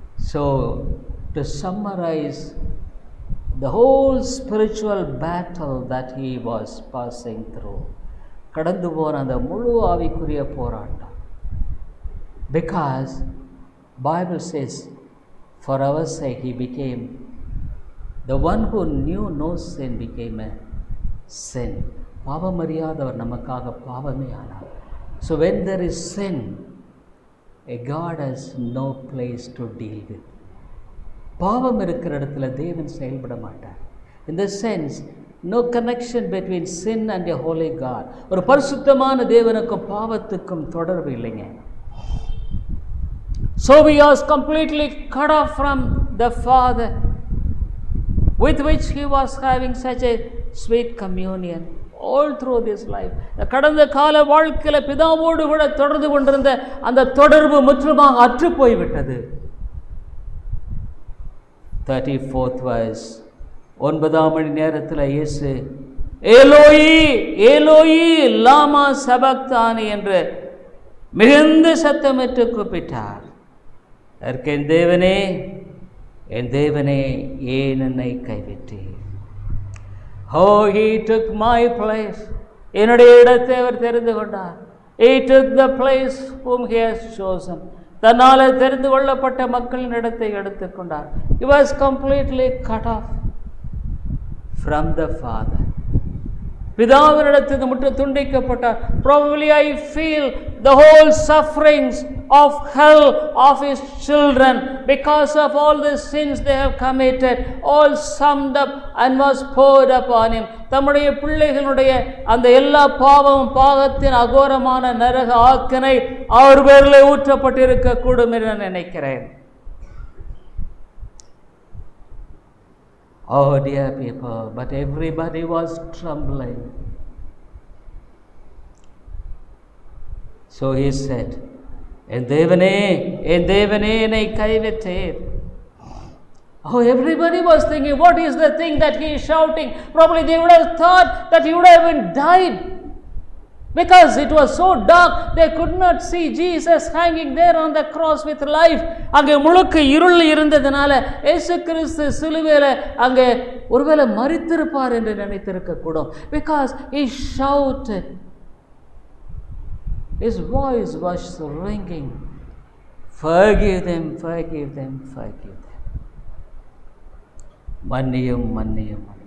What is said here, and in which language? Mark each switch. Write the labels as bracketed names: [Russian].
[English] So to summarize the whole spiritual battle that he was passing through, [Tamil] kadandu pona andha mulu aavikuriya poraatta, [English] because Bible says for our sake he became the one who knew no sin became a sin. [Tamil] Paavam ariyadhavar namakkaga paavame aanar. [English] So when there is sin, a God has no place to deal with. [Tamil] பாவம் இருக்கிற இடத்துல தேவன் செயல்பட மாட்டார். [English] In the sense, no connection between sin and a holy God. [Tamil] ஒரு பரிசுத்தமான தேவனுக்கும் பாவத்துக்கும் தொடர்பு இல்லைங்க. [English] So he was completely cut off from the Father with which he was having such a sweet communion. All through this life, [Tamil] கடந்த கால வாழ்க்கையில பிதாவோடு கூட தொடர்பு கொண்டிருந்த அந்த தொடர்பு முற்றிலுமாக அற்று போய்விட்டது. 34th verse, 9 மணி நேரத்தில் இயேசு ஏலோயி ஏலோயி லாமா சபக்தானி என்று மிகுந்த சத்தமிட்டு கூப்பிட்டார். அதற்கு என் தேவனே, என் தேவனே, ஏன் என்னை கைவிட்டீர்? [English] Oh, he took my place. [Tamil] என்னுடைய இடத்தை அவர் தெரிந்து கொண்டார். [English] He took the place whom he has chosen. [Tamil] தன்னால் தெரிந்து கொள்ளப்பட்ட மக்களின் இடத்தை எடுத்துக்கொண்டார். [English] He was completely cut off from the Father. [Tamil] பிதாவினிடத்தில் முற்ற துண்டிக்கப்பட்டார். [English] Probably I feel the whole sufferings of hell of his children because of all the sins they have committed, all summed up and was poured upon him. [Tamil] தம்முடைய பிள்ளைகளுடைய அந்த எல்லா பாவமும் பாகத்தின் அகோரமான நரக ஆக்கினை அவர் பேரில் ஊற்றப்பட்டிருக்க கூடும் என்று நினைக்கிறேன். [English] Oh dear people, but everybody was trembling. So he said, [Tamil] en devane enai kaivetter. [English] Oh, everybody was thinking, what is the thing that he is shouting? Probably they would have thought that he would have even died, because it was so dark they could not see Jesus hanging there on the cross with life. [Tamil] அங்க முழுக்க இருள் இருந்ததனால இயேசு கிறிஸ்து சிலுவையில அங்க ஒருவேளை மரித்திருப்பார் என்று நினைத்திருக்க கூடும். [English] Because he shouted, his voice was ringing, forgive them, forgive them, forgive them, [Tamil] மன்னியும் மன்னியும்.